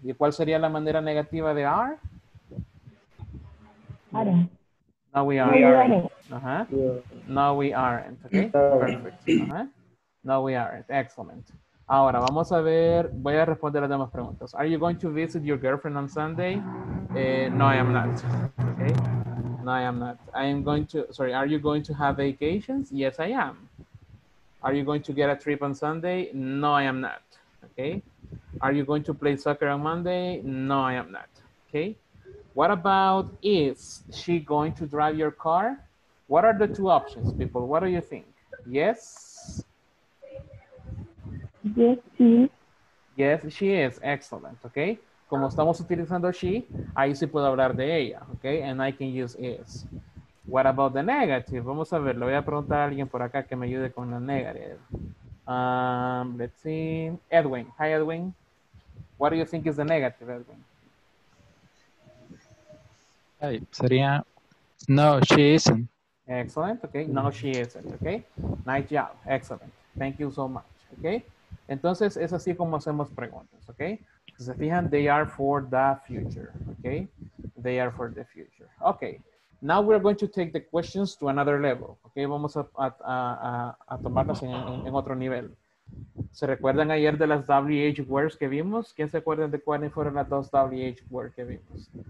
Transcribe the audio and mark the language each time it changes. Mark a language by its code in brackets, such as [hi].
[es] ¿Y cuál sería la manera negativa de are? [en] No, we aren't. No, we aren't. Okay. Perfect. No, we aren't. Excellent. [es] Ahora vamos a ver, voy a responder las demás preguntas. [en] Are you going to visit your girlfriend on Sunday? No, I am not. Okay. No, I am not. Are you going to have vacations? Yes, I am. Are you going to get a trip on Sunday? No, I am not. Okay. Are you going to play soccer on Monday? No, I am not. Okay. What about, is she going to drive your car? What are the two options, people? What do you think? Yes. Yes, she is. Yes, she is. Excellent, okay? [es] Como estamos utilizando she, ahí sí puedo hablar de ella, okay? [en] And I can use is. What about the negative? [es] Vamos a ver, le voy a preguntar a alguien por acá que me ayude con la negative. [en] Let's see. Edwin. Hi, Edwin. What do you think is the negative, Edwin? Hi, sería, no, she isn't. Excellent, okay? No, she isn't, okay? Nice job. Excellent. Thank you so much, [es] okay? Entonces, es así como hacemos preguntas, ¿ok? Si se fijan, [en] they are for the future, ¿ok? They are for the future. Ok, now we're going to take the questions to another level, ¿ok? [es] Vamos a tomarlas en otro nivel. ¿Se recuerdan ayer de las WH words que vimos? ¿Quién se acuerda de cuáles fueron las dos WH words que vimos?